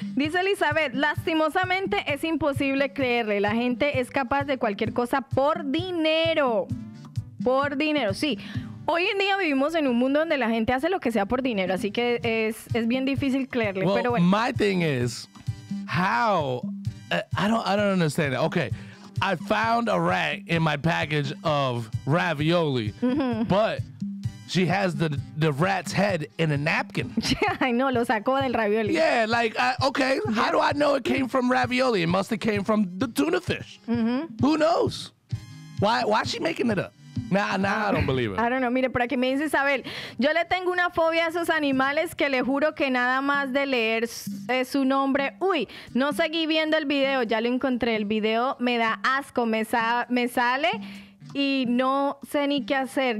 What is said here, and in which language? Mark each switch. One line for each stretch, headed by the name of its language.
Spanish: Dice Elizabeth, lastimosamente es imposible creerle. La gente es capaz de cualquier cosa por dinero. Por dinero, sí. Hoy en día vivimos en un mundo donde la gente hace lo que sea por dinero, así que es bien difícil creerle.
English: Well,
Spanish: pero bueno.
English: My thing is, how? I don't understand it. Okay, I found a rat in my package of ravioli, but she has the rat's head in a napkin. I know,
Spanish: lo sacó del ravioli.
English: Yeah, like, okay, how do I know it came from ravioli? It must have came from the tuna fish. Who knows? Why is she making it up? Nah, I don't believe it. I don't know.
Spanish: Mire, por aquí me dice Isabel, yo le tengo una fobia a esos animales que le juro que nada más de leer su nombre. Uy, no seguí viendo el video, ya lo encontré. El video me da asco, me sale y no sé ni qué hacer.